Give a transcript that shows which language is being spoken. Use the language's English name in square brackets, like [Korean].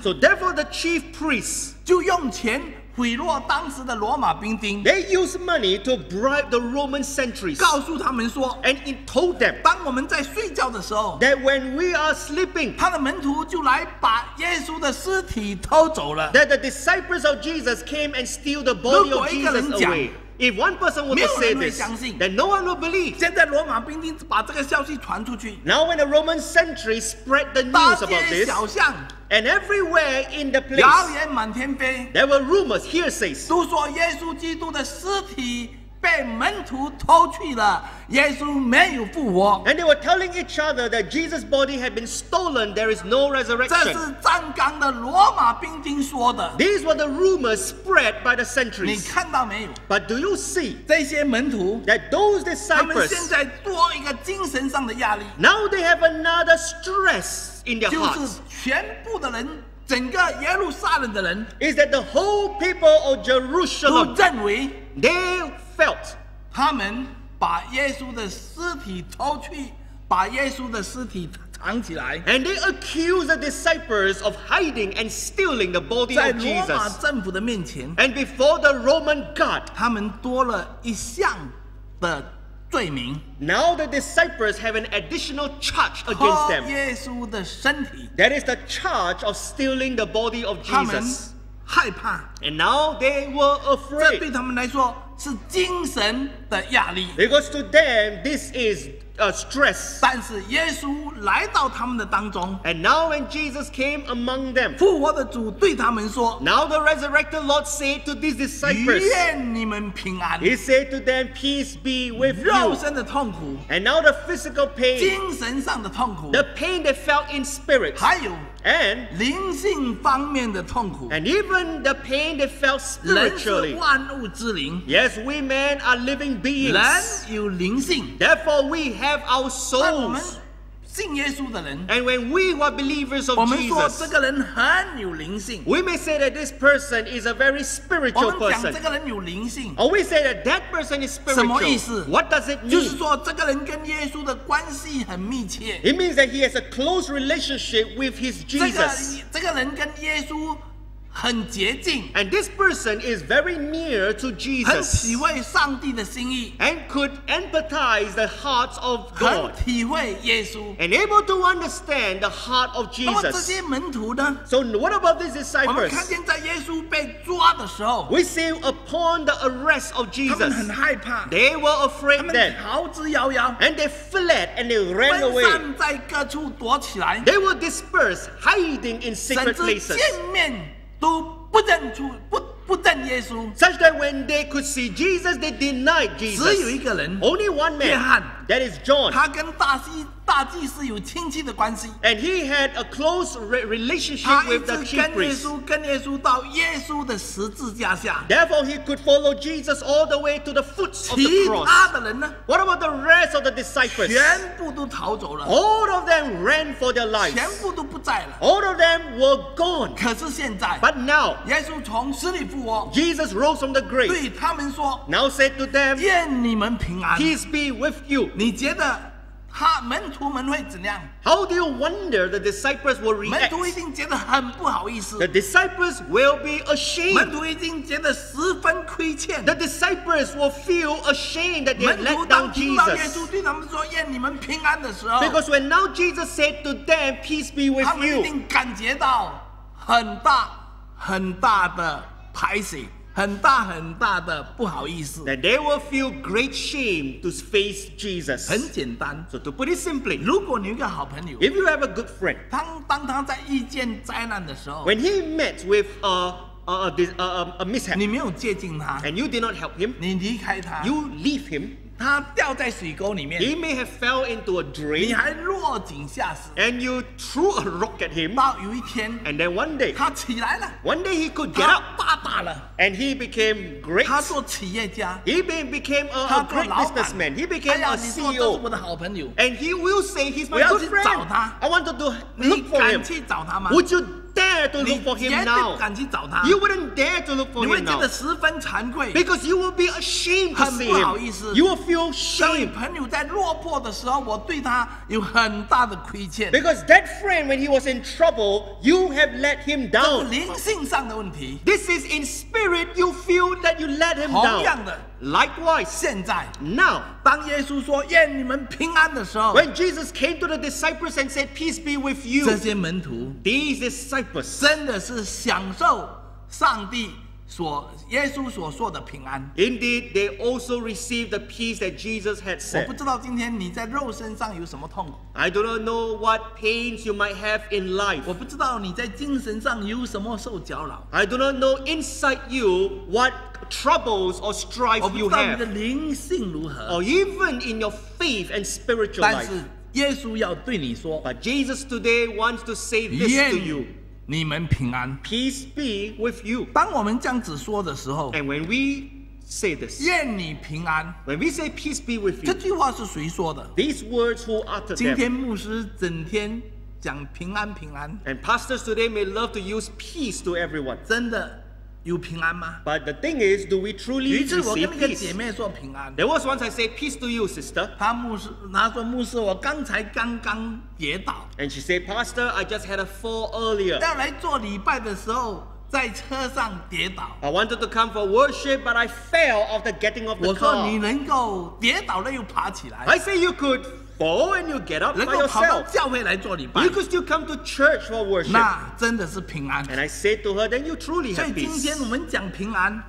[English] ，so therefore the chief priests [Chinese] 就用钱贿赂当时的罗马兵丁 [English] ，they use money to bribe the Roman sentries， [Chinese] 告诉他们说 [English] ，and it told them， [Chinese] 当我们在睡觉的时候 [English] ，that when we are sleeping， [Chinese] 他的门徒就来把耶稣的尸体偷走了 [English] ，that the disciples of Jesus came and steal the body of Jesus away。 If one person were to say this, then no one would believe. [Chinese] 现在罗马兵丁把这个消息传出去。 [English] Now when the Roman sentry spread the news about this, [Chinese] 大街小巷 [English] and everywhere in the place, [Chinese] 谣言满天飞 [English] there were rumors, hearsays, [Chinese] 都说耶稣基督的尸体被门徒偷去了，耶稣没有复活。 [English] And they were telling each other that Jesus' body had been stolen. There is no resurrection. [Chinese] 这是站岗的罗马兵丁说的。 [English] These were the rumors spread by the centuries. [Chinese] 你看到没有 [English] ？But do you see [Chinese] 这些门徒 [English] ？That those disciples [Chinese] 他们现在多一个精神上的压力。 [English] Now they have another stress in their hearts. [Chinese] 就是全部的人。整个耶路撒冷的人 [English] is that the whole people of Jerusalem [Chinese] 都认为 [English] they felt [Chinese] 他们把耶稣的尸体偷去，把耶稣的尸体藏起来。 [English] And they accused the disciples of hiding and stealing the body of Jesus. [Chinese] 在罗马政府的面前 [English] and before the Roman guard, [Chinese] 他们多了一项的罪名。 [English] Now the disciples have an additional charge against them. [Chinese] 偷耶稣的身体。 [English] That is the charge of stealing the body of Jesus. [Chinese] 他们害怕。 [English] And now they were afraid. [Chinese] 这对他们来说是精神的压力。 [English] Because to them this is a stress. [Chinese] 但是耶稣来到他们的当中。 [English] And now when Jesus came among them. [Chinese] 复活的主对他们说。 [English] Now the resurrected Lord said to these disciples. [Chinese] 愿你们平安。 [English] He said to them, peace be with you. [Chinese] 肉身的痛苦。 [English] And now the physical pain. [Chinese] 精神上的痛苦。 [English] The pain they felt in spirit. [Chinese] 还有。 [English] And [Chinese] 灵性方面的痛苦。 [English] And even the pain they felt spiritually. [Chinese] 人是万物之灵。 [English] Yes, we men are living beings. [Chinese] 人有灵性。 [English] Therefore, we have our souls. [Chinese] 我们信耶稣的人， [English] and when we were believers of Jesus, [Chinese] 我们说这个人很有灵性。 [English] We may say that this person is a very spiritual person. [Chinese] 我们讲这个人有灵性。 [English] Or we say that that person is spiritual. [Chinese] 什么意思？ [English] What does it mean? [Chinese] 就是说这个人跟耶稣的关系很密切。 [English] It means that he has a close relationship with his Jesus. [Chinese] 这个人跟耶稣很接近。 [English] And this person is very near to Jesus. [Chinese] 很体会上帝的心意。 [English] And could empathize the heart of God. [Chinese] 很体会耶稣。 [English] And able to understand the heart of Jesus. [Chinese] 那么这些门徒呢？ [English] So what about these disciples? [Chinese] 我们看见在耶稣被抓的时候， [English] We see upon the arrest of Jesus. [Chinese] 他们很害怕。 [English] They were afraid then. [Chinese] 他们逃之夭夭。 [English] And they fled and they ran away. [Chinese] 分散在各处躲起来。 [English] They were dispersed, hiding in secret places. [Chinese] 甚至见面都不认出不认耶稣。 [English] Such that when they could see Jesus, they denied Jesus. [Chinese] 只有一个人， [English] only one man, [Chinese] 约翰， [English] that is John. [Chinese] 他跟大祭司有亲戚的关系。 [English] And he had a close relationship with the chief priest. [Chinese] 他一直跟耶稣到耶稣的十字架下。 [English] Therefore, he could follow Jesus all the way to the foot of the cross. [Chinese] 其他的人呢？ [English] What about the rest of the disciples? [Chinese] 全部都逃走了。 [English] All of them ran for their lives. [Chinese] 全部都不在了。 [English] All of them were gone. [Chinese] 可是现在， [English] but now, [Chinese] 耶稣从死里复活。 [English] Jesus rose from the grave. [Chinese] 对他们说， [English] now said to them, [Chinese] 愿你们平安。 [English] Peace be with you. [Chinese] 你觉得他门徒们会怎样？ [English] How do you wonder the disciples will react? [Chinese] 门徒一定觉得很不好意思。 [English] The disciples will be ashamed. [Chinese] 门徒一定觉得十分亏欠。 [English] The disciples will feel ashamed that they let down Jesus. [Chinese] 门徒当听到耶稣对他们说愿你们平安的时候， [English] because when now Jesus said to them, peace be with you, [Chinese] 他们一定感觉到很大很大的排斥，很大很大的不好意思。 [English] That they will feel great shame to face Jesus. [Chinese] 很简单。 [English] So to put it simply, [Chinese] 如果你有一个好朋友， [English] if you have a good friend, [Chinese] 当他在遇见灾难的时候， [English] when he met with a mishap, [Chinese] 你没有接近他， [English] and you did not help him, [Chinese] 你离开他， [English] you leave him, [Chinese] 他掉在水沟里面， [English] he may have fell into a drain, [Chinese] 你还落井下石， [English] and you threw a rock at him, [Chinese] 到有一天， [English] and then one day, [Chinese] 他起来了， [English] one day he could get up, [Chinese] 发达了。 [English] And he became great. [Chinese] 他做企业家。 [English] He became a great businessman. He became a CEO. [Chinese] 哎呀，你说这是我的好朋友。 [English] And he will say he's my good friend. [Chinese] 我要去找他。 [English] I want to look for him. [Chinese] 你敢去找他吗？ [English] Would you dare to look for him now? [Chinese] 你绝对敢去找他。 [English] You wouldn't dare to look for him now. [Chinese] 你会觉得十分惭愧。 [English] Because you will be ashamed to see him. [Chinese] 很不好意思。 [English] You will feel shame. [Chinese] 当朋友在落魄的时候，我对他有很大的亏欠。 [English] Because that friend, when he was in trouble, you have let him down. [Chinese] 这是灵性上的问题。 [English] This is in spirit. You feel that you let him down. [Chinese] 同样的， [English] likewise, [Chinese] 现在， [English] now, [Chinese] 当耶稣说愿你们平安的时候， [English] when Jesus came to the disciples and said, peace be with you, [Chinese] 这些门徒， [English] these disciples, [Chinese] 真的是享受上帝所耶稣所说的平安。 [English] Indeed, they also received the peace that Jesus had said. [Chinese] 我不知道今天你在肉身上有什么痛苦。 [English] I do not know what pains you might have in life. [Chinese] 我不知道你在精神上有什么受搅扰。 [English] I do not know inside you what troubles or strife you have. [Chinese] 我不知道你的灵性如何。 [English] Or even in your faith and spiritual life. [Chinese] 但是耶稣要对你说， [English] But Jesus today wants to say this to you. [Chinese] 你们平安。 [English] Peace be with you. [Chinese] 当我们这样子说的时候， [English] and when we say this, [Chinese] 愿你平安。 [English] When we say peace be with you, [Chinese] 这句话是谁说的？ [English] These words who utter them. [Chinese] 今天牧师整天讲平安平安。 [English] And pastors today may love to use peace to everyone. [Chinese] 真的有平安吗？ [English] But the thing is, do we truly [Chinese] 于是我跟一个姐妹说平安。 [English] There was once I said peace to you, sister. [Chinese] 她说牧师，我刚才刚刚跌倒。 [English] And she said, pastor, I just had a fall earlier. [Chinese] 要来做礼拜的时候，在车上跌倒。 [English] I wanted to come for worship, but I fell after getting off the car. [Chinese] 我说你能够跌倒了又爬起来。 [English] I say you could fall and you get up by yourself. [Chinese] 能够跑到教会来做礼拜。 [English] You could still come to church for worship. [Chinese] 那真的是平安。 [English] And I said to her, then you truly have peace. [Chinese] 所以今天我们讲平安。